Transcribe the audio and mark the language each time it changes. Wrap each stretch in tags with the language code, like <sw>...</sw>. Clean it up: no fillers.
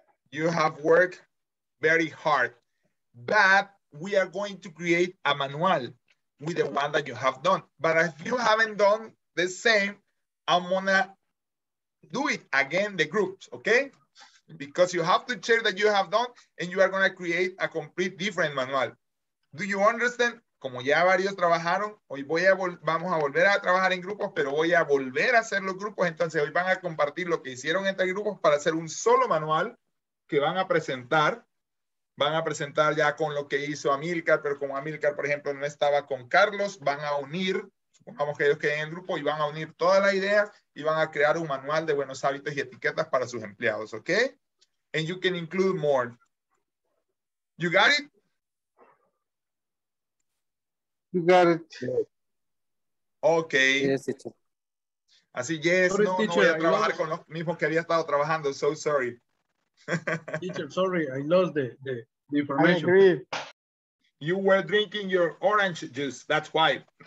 <en>You have worked very hard, but we are going to create a manual with the one that you have done. But if you haven't done the same, I'm gonna do it again, the groups, okay? Because you have to share that you have done and you are gonna create a complete different manual. Do you understand?</en> <es>Como ya varios trabajaron, hoy vamos a volver a trabajar en grupos, pero voy a volver a hacer los grupos. Entonces hoy van a compartir lo que hicieron entre grupos para hacer un solo manual que van a presentar ya con lo que hizo Amilcar, pero como Amilcar, por ejemplo, no estaba con Carlos, van a unir, supongamos que ellos queden en el grupo, y van a unir toda la idea y van a crear un manual de buenos hábitos y etiquetas para sus empleados, ¿ok?</es> <en>And you can include more. You got it? You got it. Ok. Yes, teacher.</en> <es>Así, yes, no, teacher, no voy a trabajar con los mismos que había estado trabajando,</es> <en>so sorry. Teacher, sorry, I lost the information. I agree. You were drinking your orange juice, that's why.</en>